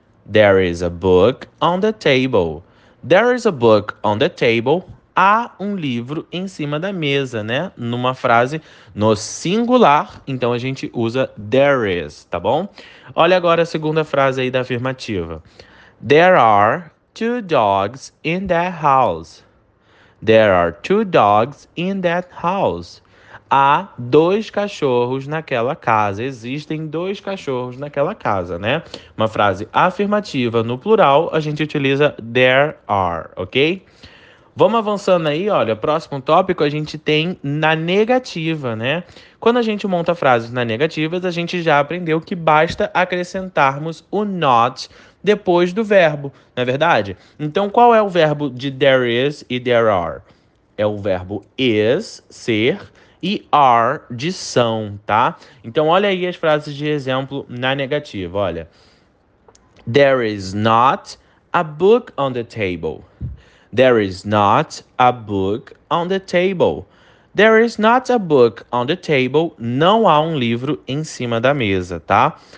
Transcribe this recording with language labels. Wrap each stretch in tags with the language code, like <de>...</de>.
<en>There is a book on the table. There is a book on the table.</en> <pt>há um livro em cima da mesa, né? Numa frase no singular, então a gente usa there is, tá bom? Olha agora a segunda frase aí da afirmativa.</pt> <en>There are two dogs in that house. There are two dogs in that house.</en> <pt>Há dois cachorros naquela casa. Existem dois cachorros naquela casa, né? Uma frase afirmativa no plural, a gente utiliza there are, ok? Vamos avançando aí, olha, próximo tópico a gente tem na negativa, né? Quando a gente monta frases na negativa, a gente já aprendeu que basta acrescentarmos o not depois do verbo, não é verdade? Então, qual é o verbo de there is e there are? É o verbo is, ser, e are, de são, tá? Então, olha aí as frases de exemplo na negativa, olha.</pt> <en>There is not a book on the table. There is not a book on the table. There is not a book on the table.</en> <pt>Não há um livro em cima da mesa, tá?</pt>